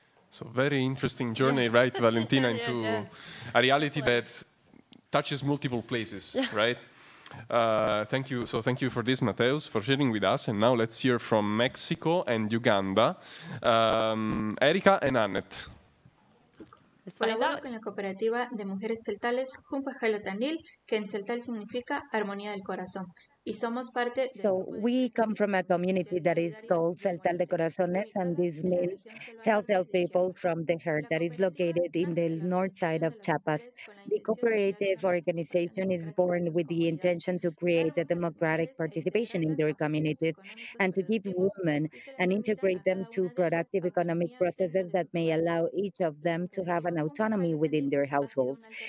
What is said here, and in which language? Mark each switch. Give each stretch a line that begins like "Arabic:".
English: So very interesting journey, right, Valentina, into a reality that touches multiple places, right? Thank you. So thank you for this, Mateusz, for sharing with us. And now let's hear from Mexico and Uganda, Erika and Annette.
Spanish: Colaboro con la cooperativa de mujeres celtales Junpa Jalotanil, que en celtal significa armonía del corazón.
English: So we come from a community that is called Celtal de Corazones, and this means Celtal people from the heart, that is located in the north side of Chiapas. The cooperative organization is born with the intention to create a democratic participation in their communities and to give women and integrate them to productive economic processes that may allow each of them to have an autonomy within their households.